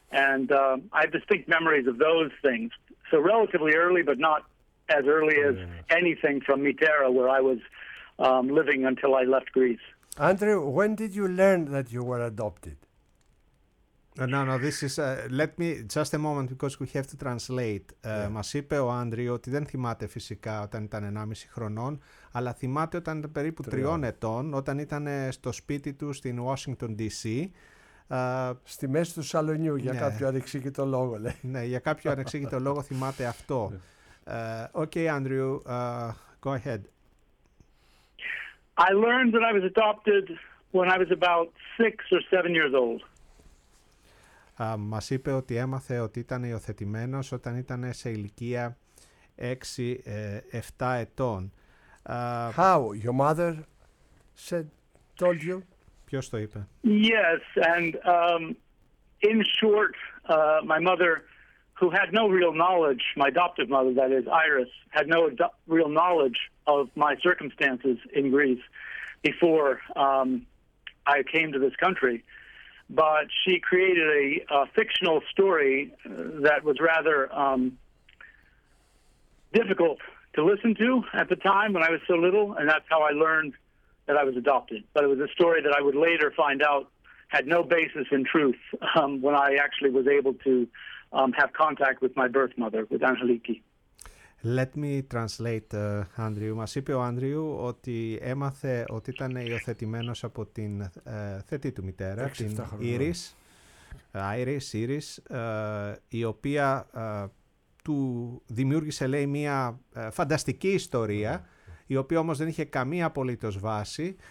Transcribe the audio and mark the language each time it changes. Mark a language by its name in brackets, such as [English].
[English] And I have distinct memories of those things. So relatively early, but not as early as anything from Mitera, where I was living until I left Greece. Andrew, when did you learn that you were adopted? No, this is, let me, just a moment, because we have to translate. [Greek] Μας είπε ο Άντριο ότι δεν θυμάται φυσικά όταν ήταν 1,5 χρονών, αλλά θυμάται όταν ήταν περίπου 3 ετών, όταν ήταν στο σπίτι του στην Washington DC. Στη μέση του σαλονιού, για κάποιο ανεξήγητο λόγο, λέει. Ναι, για κάποιο ανεξήγητο λόγο θυμάται αυτό. [English] Okay, Andrew, go ahead. I learned that I was adopted when I was about 6 or 7 years old. [Greek] Μας είπε ότι έμαθε ότι ήταν υιοθετημένος όταν ήταν σε ηλικία 6-7 ετών. [English] How? Your mother said, told you? [Greek] Ποιος το είπε? [English] Yes, and in short, my mother, who had no real knowledge, my adoptive mother, that is, Iris, had no real knowledge of my circumstances in Greece before I came to this country. But she created a fictional story that was rather difficult to listen to at the time when I was so little, and that's how I learned that I was adopted. But it was a story that I would later find out had no basis in truth when I actually was able to have contact with my birth mother, with Angeliki. Let me translate, Andrew. [Greek] Μας είπε ο Άντριου ότι έμαθε ότι ήταν υιοθετημένος από την θετή του μητέρα, την Iris, Iris, η οποία του δημιούργησε, λέει, μια φανταστική ιστορία, η οποία όμως δεν είχε καμία απολύτως βάση.